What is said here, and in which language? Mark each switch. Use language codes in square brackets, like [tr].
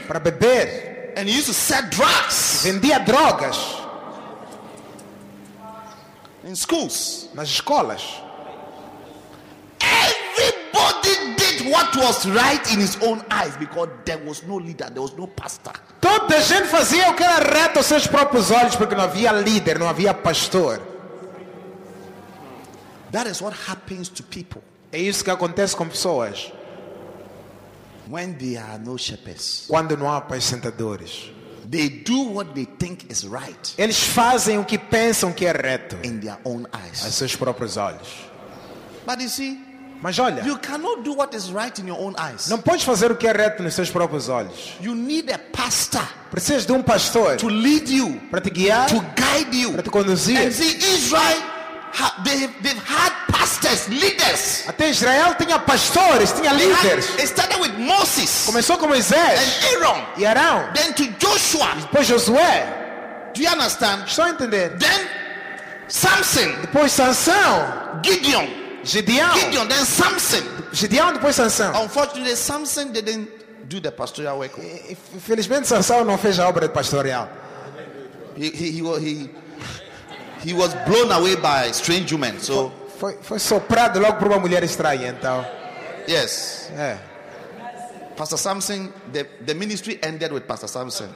[pt] Para beber. [en] And he used to sell drugs. [pt] Vendia drogas. [en] In schools. [pt] Nas escolas. [en] Everybody did what was right in his own eyes because there was no leader, there was no pastor. [pt] Toda a gente fazia o que era reto aos seus próprios olhos porque não havia líder, não havia pastor. [en] That is what happens to people. [pt] É isso que acontece com pessoas. [en] When they are no shepherds. [pt] Quando não há apacentadores. [en] They do what they think is right. [pt] Eles fazem o que pensam que é reto. [en] In their own eyes. [pt] Aos seus próprios olhos. [en] But you see. [pt] Mas olha, [en] you cannot do what is right in your own eyes. [pt] Não podes fazer o que é reto nos seus próprios olhos. [en] You need a pastor. [pt] Precisas de um pastor. [en] To lead you. [pt] Para te guiar. [en] To guide you. [pt] Para te conduzir. [en] And see, Israel, they've had pastors, leaders. [pt] Até Israel tinha pastores, tinha líderes. [en] It started with Moses. [pt] Começou com Moisés. [en] And Aaron. [pt] E Arão. [en] Then to Joshua. [pt] E depois Josué. [en] Do you understand? [pt] Estou a entender. [en] Then Samson. [pt] Depois Sansão. [en] Gideon. Gideon, then Samson. [pt] Gideon, depois Samson. [en] Unfortunately, Samson didn't do the pastoral work. [pt] Infelizmente, Samson não fez a obra de pastoral. [en] He was blown away by strange women. So [pt] foi soprado logo por uma mulher estranha, então. [en] Yes. Yeah. Pastor Samson, the ministry ended with Pastor Samson.